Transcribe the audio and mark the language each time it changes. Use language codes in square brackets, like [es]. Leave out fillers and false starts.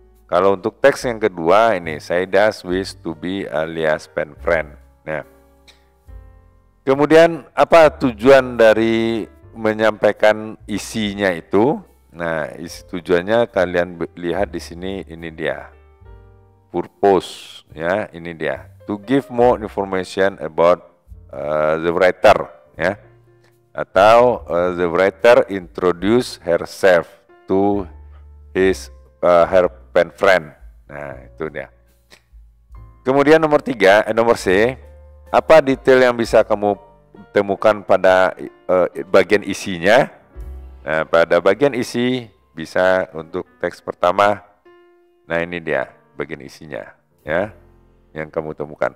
[id] Kalau untuk teks yang kedua ini, [en] Saida's wish to be Alia's pen friend. [id] Nah, kemudian apa tujuan dari menyampaikan isinya itu? Nah, isi tujuannya kalian lihat di sini, ini dia. Purpose ya, ini dia. [en] To give more information about the writer. [id] Ya, atau [en] the writer introduce herself to his her pen friend. [id] Nah, itu dia. Kemudian nomor C, apa detail yang bisa kamu temukan pada bagian isinya? Nah, pada bagian isi bisa untuk teks pertama. Nah, ini dia bagian isinya, ya, yang kamu temukan.